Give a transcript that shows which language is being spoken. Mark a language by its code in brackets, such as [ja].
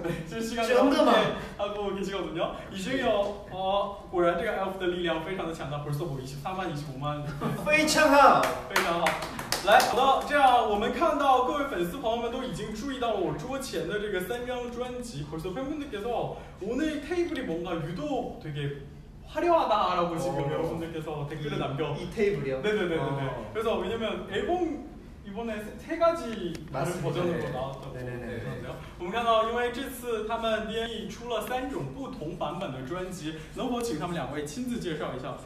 [ko] 지금 시간 하고 계시거든요. [zh] 이중요果然这个 F 的力量非常的强大， [ko] 벌써 23만 25만， [zh] 非常好，非常好。来，好的，这样我们看到各位粉丝朋友们都已经注意到了我桌前的这个三张专辑。 [ko] 벌써 팬분들께서 오늘 테이블이 뭔가 유독 되게 화려하다라고 지금 여러분들께서 댓글을 남겨 이 테이블이요? 네네네네. 그래서 왜냐면 앨범 이번에 세 가지 다른 버전으로 나왔다고 그러는데요. [zh] 我们看到，因为这次他们 DNE 出了三种不同版本的专辑，能否请他们两位亲自介绍一下？